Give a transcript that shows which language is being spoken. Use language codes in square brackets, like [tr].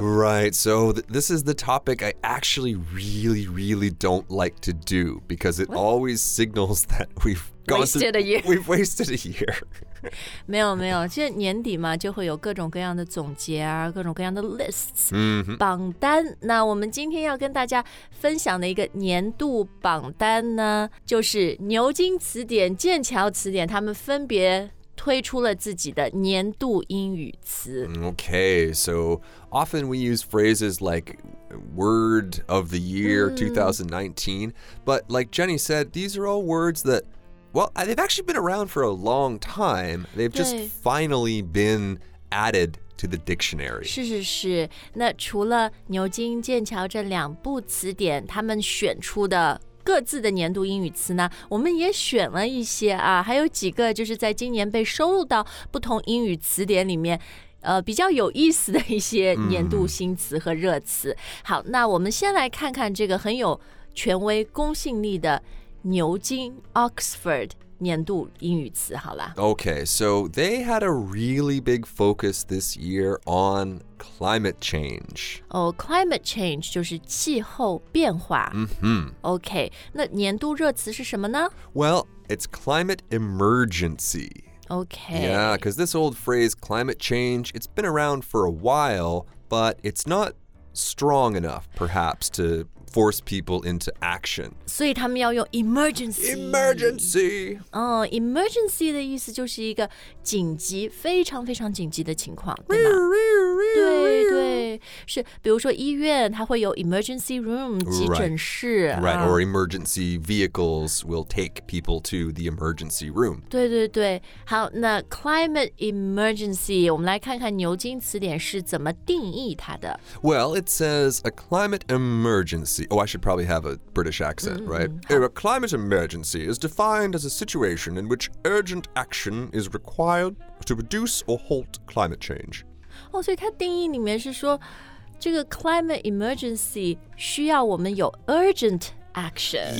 [en] Right, so this is the topic I actually really, really don't like to do because it always signals that we've wasted a year. [zh] 没有没有，现在年底嘛，就会有各种各样的总结啊，各种各样的 lists、 mm-hmm. 榜单。那我们今天要跟大家分享的一个年度榜单呢，就是牛津词典、剑桥词典，他们分别推出了自己的年度英语词。 [en] Okay, so often we use phrases like "word of the year 2019," but like Jenny said, these are all words that. Well, they've actually been around for a long time. They've just finally been added to the dictionary. [zh] 是是是。那除了牛津、剑桥这两部词典，他们选出的各自的年度英语词呢，我们也选了一些啊，还有几个就是在今年被收录到不同英语词典里面，比较有意思的一些年度新词和热词。 Mm-hmm. 好，那我们先来看看这个很有权威公信力的牛津 Oxford 年度英语词好了。 [en] Okay, so they had a really big focus this year on climate change. [zh] Oh, climate change 就是气候变化。 Mm-hmm. Okay, 那年度热词是什么呢？ [en] Well, it's climate emergency. Okay. Yeah, because this old phrase climate change, it's been around for a while, but it's not strong enough, perhaps, to... force people into action. [zh] 所以他们要用 emergency. [en] Emergency. [zh] Emergency 的意思就是一个紧急，非常非常紧急的情况，对吗？对对，是，比如说医院，它会有 emergency room, 急诊室。 [en] Right, or emergency vehicles will take people to the emergency room. [zh] 对对对，好，那 climate emergency, 我们来看看牛津词典是怎么定义它的。 [en] Well, it says a climate emergency. Oh, I should probably have a British accent, mm-hmm. right? A climate emergency is defined as a situation in which urgent action is required to reduce or halt climate change. Oh, so its definition [zh] 里面是说，这个 climate emergency 需要我们有 urgent action.